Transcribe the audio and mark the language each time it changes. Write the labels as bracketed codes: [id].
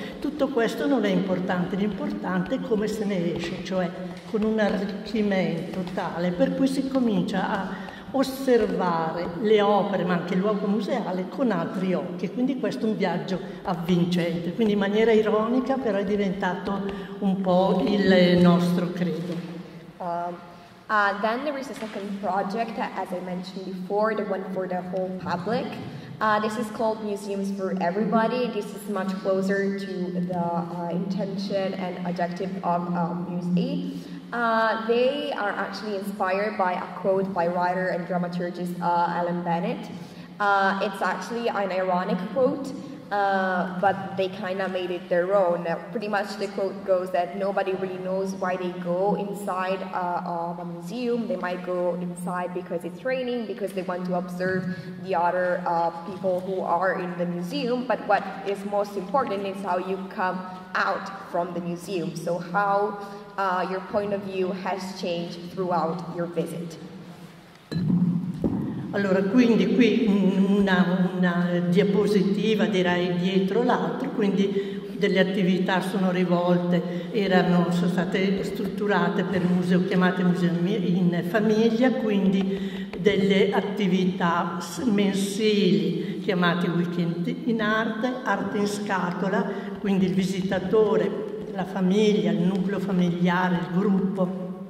[it] Tutto questo non è importante, l'importante è come se ne esce, cioè con un arricchimento tale per cui si comincia a osservare le opere, ma anche il luogo museale, con altri occhi. Quindi questo è un viaggio avvincente. Quindi in maniera ironica, però, è diventato un po' il nostro credo. [en] Then there is a second project, as I mentioned before, the one for the whole public. This is called Museums for Everybody. This is much closer to the intention and objective of Muse. They are actually inspired by a quote by writer and dramaturgist Alan Bennett. It's actually an ironic quote, but they kind of made it their own. Pretty much the quote goes that nobody really knows why they go inside of a museum. They might go inside because it's raining, because they want to observe the other people who are in the museum. But what is most important is how you come out from the museum. So how your point of view has changed throughout your visit. [it] Allora, quindi qui una diapositiva, direi, dietro l'altro, quindi delle attività sono rivolte, sono state strutturate per museo, chiamate museo in famiglia, quindi delle attività mensili, chiamate weekend in arte, arte in scatola, quindi il visitatore, la famiglia, il nucleo familiare, il gruppo,